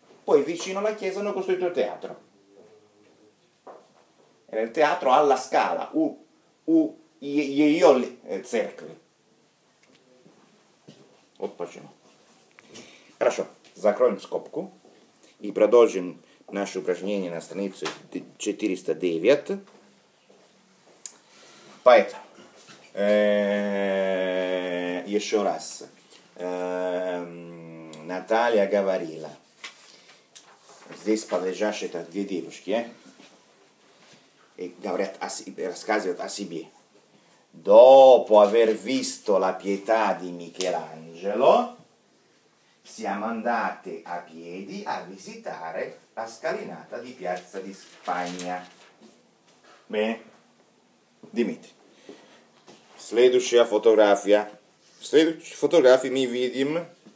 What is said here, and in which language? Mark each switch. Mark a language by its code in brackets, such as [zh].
[it] Poi vicino alla chiesa hanno costruito il teatro. Era il teatro alla Scala, Cerchi. Oppa, c'è no. [ru] Хорошо, закроем скобку и продолжим наше упражнение на странице 409. Поэтому, еще раз, Наталья говорила, здесь подлежащие это две девушки, и говорят о себе, рассказывают о себе. [it] Dopo aver visto la Pietà di Michelangelo, siamo andate a piedi a visitare la scalinata di Piazza di Spagna. Bene, Dimitri. [ru] Следующая фотография. Следующий фотографий мы видим